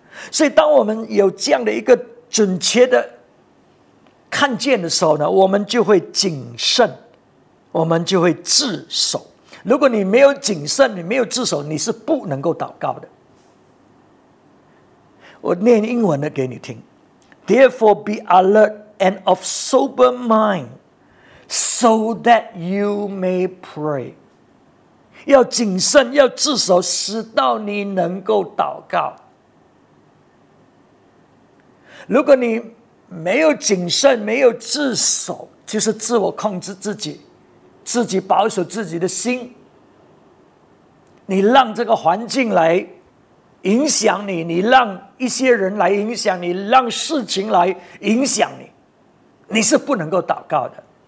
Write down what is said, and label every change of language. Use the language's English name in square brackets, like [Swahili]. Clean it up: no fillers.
[Chinese] 所以当我们有这样的一个准确的看见的时候呢，我们就会谨慎，我们就会自守。如果你没有谨慎，你没有自守，你是不能够祷告的。我念英文的给你听。 [English] Therefore be alert and of sober mind so that you may pray. [Chinese] 要谨慎，要自守，使到你能够祷告。如果你没有谨慎，没有自守，就是自我控制自己，自己保守自己的心，你让这个环境来影响你，你让一些人来影响你，让事情来影响你，你是不能够祷告的。